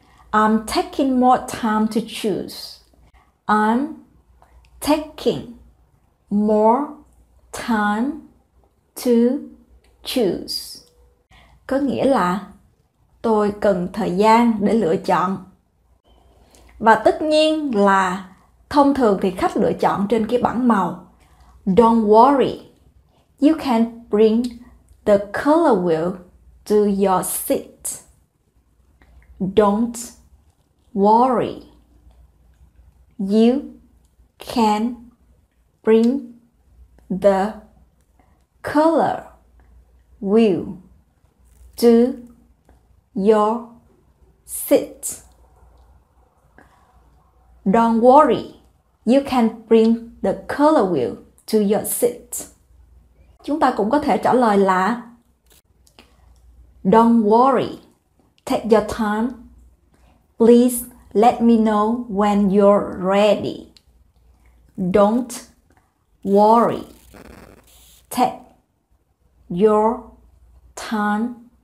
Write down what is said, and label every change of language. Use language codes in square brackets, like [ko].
[en] I'm taking more time to choose. I'm taking more time to choose. [vi] Có nghĩa là tôi cần thời gian để lựa chọn. Và tất nhiên là thông thường thì khách lựa chọn trên cái bảng màu. [en] Don't worry, you can bring the color wheel to your seat. Don't worry, you can bring the color wheel to your seat. Don't worry, you can bring the color wheel to your seat. [vi] Chúng ta cũng có thể trả lời là [en] Don't worry, take your time. Please let me know when you're ready. Don't worry, take your time.